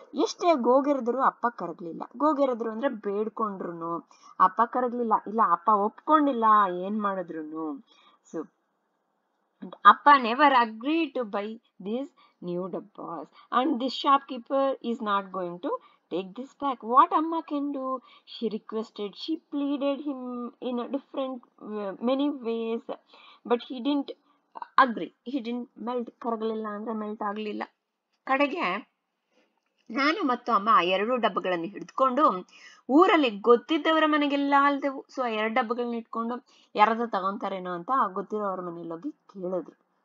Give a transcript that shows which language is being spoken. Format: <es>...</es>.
<kn>ಎಷ್ಟೇ ಗೋಗೆರೆದ್ರು ಅಪ್ಪ ಕರಗ್ಲಿಲ್ಲ. ಗೋಗೆರೆದ್ರು ಅಂದ್ರೆ ಬೇಡ್ಕೊಂಡ್ರು ಅಪ್ಪ ಕರಗ್ಲಿಲ್ಲ, ಇಲ್ಲ ಅಪ್ಪ ಒಪ್ಕೊಂಡಿಲ್ಲ ಏನ್ ಮಾಡಿದ್ರು.</kn> <en>So ಅಪ್ಪ never agree to buy this new ಡಬ್ಬಾಸ್ and this shopkeeper is not going to take this back. What Amma can do? She requested, she pleaded him in a different many ways, but he didn't agree. He didn't melt.</en> <kn>Karagalilla andre melt agalilla. Kadage ನಾನು ಮತ್ತು ಅಮ್ಮ ಎರಡು ಡಬ್ಬಗಳನ್ನು ಹಿಡಿದುಕೊಂಡು ಊರಲ್ಲಿ ಗೊತ್ತಿದ್ದವರ ಮನೆಗೆಲ್ಲ ಅಲ್ದೆವು. So ಎರಡು ಡಬ್ಬಗಳನ್ನ ಇಟ್ಕೊಂಡು ಯಾರದ ತಗೊಂತಾರೇನೋ ಅಂತ ಗೊತ್ತಿರೋ ಅವ್ರ ಮನೇಲಿ ಹೋಗಿ ಕೇಳಿದ್ರು.</kn>